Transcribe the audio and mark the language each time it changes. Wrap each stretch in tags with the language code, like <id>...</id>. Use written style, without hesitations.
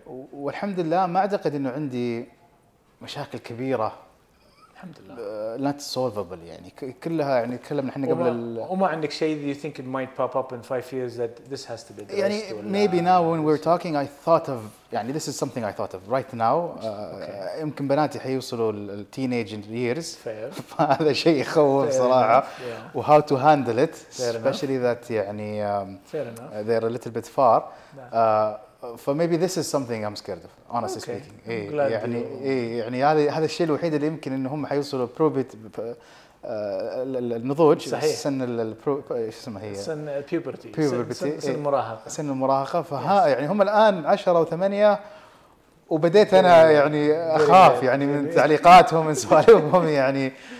<ar>والحمد لله ما أعتقد إنه عندي مشاكل كبيرة. Alhamdulillah. الحمد لله.</ar> <en>Not solvable</en> <ar>يعني كلها يعني كلام نحن قبل. وما عندك شيء</ar> <en>that you think it might pop up in 5 years that this has to be. يعني maybe now when we're talking I thought of يعني this is something I thought of right now.</en> <ar>Okay. يمكن بناتي حيوصلوا ال</ar> <en>teenage years. Fair.</en> <ar>هذا شيء يخوف صراحة. و</ar> <en>how to handle it especially that</en> <ar>يعني.</ar> <en>Fair enough. They're a little bit far. For maybe this is something I'm scared of, honestly okay. speaking.</en> <ar>Okay. يعني يعني هذا الشيء الوحيد اللي يمكن إن هم حيوصلوا بروبيت النضوج. صحيح. سن البرو إيش اسمها هي؟ سن puberty.</ar> <en>Puberty.</en> <ar>سن المراهقة. سن المراهقة. فها yes. يعني هم الآن 10 و8 وبديت أنا يعني أخاف يعني من تعليقاتهم من سوالفهم يعني.</ar>